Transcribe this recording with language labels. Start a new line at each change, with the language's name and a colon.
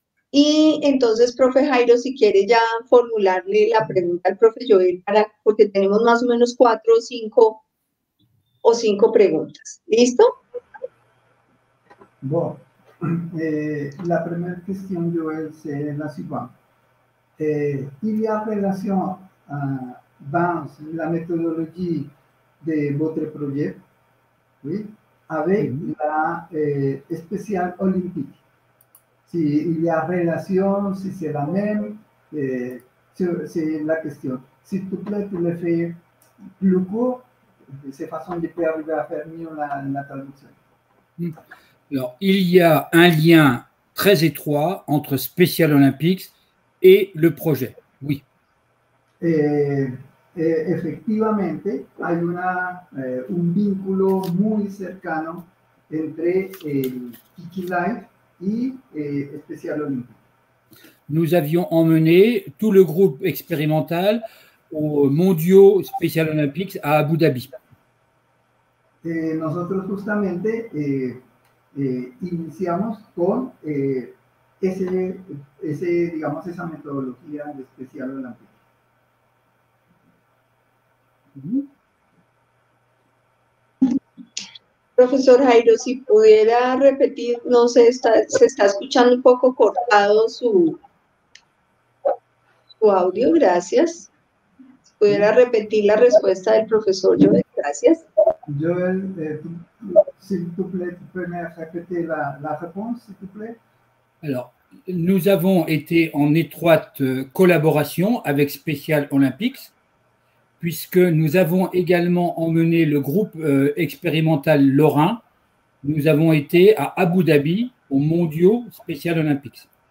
Spanish: Y entonces, profe Jairo, si quiere ya formularle la pregunta al profe Joel, para, porque tenemos más o menos cuatro o cinco preguntas. ¿Listo? Bueno, la primera cuestión, Joel, es la siguiente. ¿Y la relación
French: dans la méthodologie de votre projet, oui, avec la spéciale olympique. Si il y a relation, si c'est la même, c'est la question. S'il te plaît, tu le fais plus court, c'est façon de pouvoir arriver à faire mieux la traduction. Alors, il y a un lien très étroit entre spéciale olympique et le projet, oui.
Spanish: Efectivamente, hay un vínculo muy cercano entre Kiki Life y Special Olympics.
French: Nous avions emmené tout le groupe expérimental aux Mondiaux Special Olympics à Abu Dhabi.
Spanish: Nosotros justamente iniciamos con esa metodología de Special Olympics. Profesor Jairo, si pudiera repetir, no sé, se está escuchando un poco cortado su audio, gracias. Si pudiera repetir la respuesta del profesor Joel, gracias.
French: Joel, s'il te plaît, tu peux répéter la réponse, s'il te plaît. Alors, nous avons été en étroite collaboration avec Special Olympics, puisque nous avons également emmené le groupe expérimental Lorrain, nous avons été à Abu Dhabi, aux Mondiaux Special Olympics.